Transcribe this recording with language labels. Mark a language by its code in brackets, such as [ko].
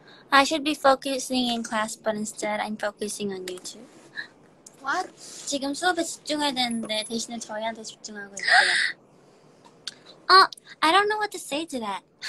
[en] I should be focusing in class, but instead I'm focusing on YouTube. What? [ko] 지금 수업에 집중해야 되는데 대신에 저희한테 집중하고 있어요. [en] Oh, I don't know what to say to that.